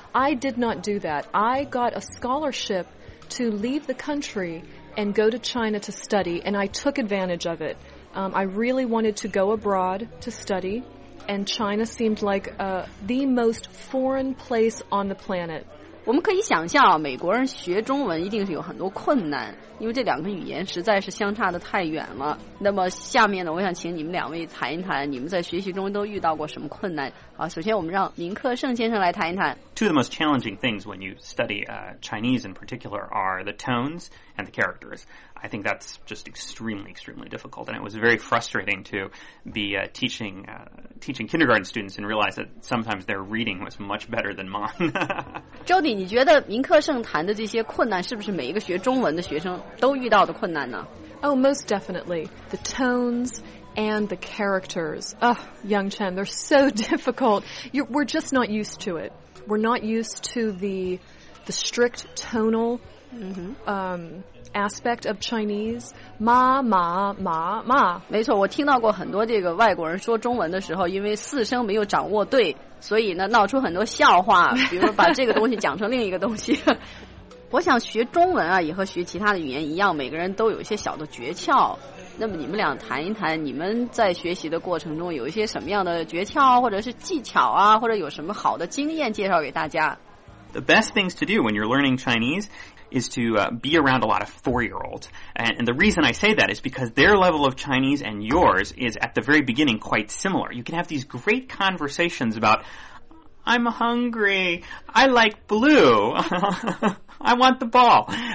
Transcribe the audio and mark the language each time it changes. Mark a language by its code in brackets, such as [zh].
[en] I did not do that. I got a scholarship to leave the country and go to China to study, and I took advantage of it. I really wanted to go abroad to study, and China seemed like the most foreign place on the planet. [zh] 我们可以想象啊，美国人学中文一定是有很多困难，因为这两个语言实在是相差的太远了。那么下面呢，我想请你们两位谈一谈你们在学习中都遇到过什么困难。好，首先我们让明克盛先生来谈一谈。 [en] Two of the most challenging things when you study Chinese in particular are the tones and the characters. I think that's just extremely, extremely difficult. And it was very frustrating to be teaching kindergarten students and realize that sometimes their reading was much better than mine. [zh] Jody, 你觉得明克盛谈的这些困难是不是每一个学中文的学生都遇到的困难呢？ [en] Oh, most definitely. The tones... And the characters, oh, Yang Chen, they're so difficult. We're just not used to it. We're not used to the strict tonal, aspect of Chinese. Ma, ma, ma, ma. [zh] 没错，我听到过很多这个外国人说中文的时候，因为四声没有掌握对，所以呢闹出很多笑话，比如说把这个东西讲成另一个东西。我想学中文啊，也和学其他的语言一样，每个人都有一些小的诀窍。那么你们俩谈一谈你们在学习的过程中有一些什么样的诀窍或者是技巧啊，或者有什么好的经验介绍给大家。 [en] The best things to do when you're learning Chinese is to be around a lot of four-year-olds. And the reason I say that is because their level of Chinese and yours is at the very beginning quite similar. You can have these great conversations about I'm hungry, I like blue, I want the ball.